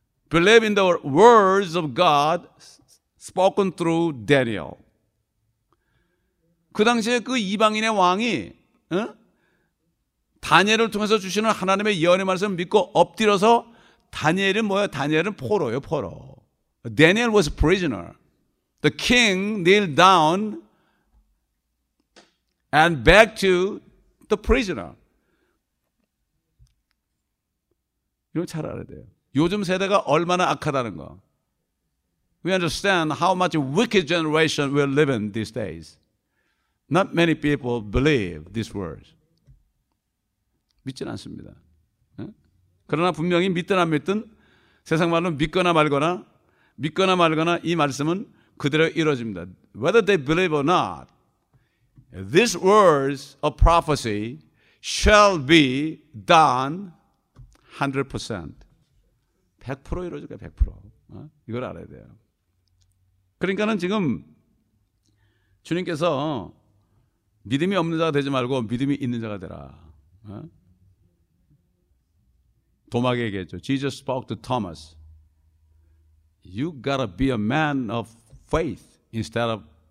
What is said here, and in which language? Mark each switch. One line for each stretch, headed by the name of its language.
English: Believe in the words of God spoken through Daniel.
Korean: 그 당시에 그 이방인의 왕이 다니엘을 통해서 주시는 하나님의 예언의 말씀을 믿고 엎드려서 다니엘은 포로예요. 포로.
English: Daniel was a prisoner. The king kneeled down and begged to the prisoner.
Korean: 이걸 잘 알아야 돼요. 요즘 세대가 얼마나 악하다는 거.
English: We understand how much wicked generation we live in these days. Not many people believe these words.
Korean: 믿지는 않습니다. 그러나 분명히 믿든 안 믿든 세상 말로 믿거나 말거나 이 말씀은 그대로 이루어집니다.
English: Whether they believe or not, these words of prophecy shall be done 100%.
Korean: 100% 이루어질 거예요. 100%. 이걸 알아야 돼요. 그러니까는 지금 주님께서 믿음이 없는 자가 되지 말고 믿음이 있는 자가 되라. 도마에게 얘기했죠.
English: Jesus spoke to Thomas. You gotta be a man of faith instead of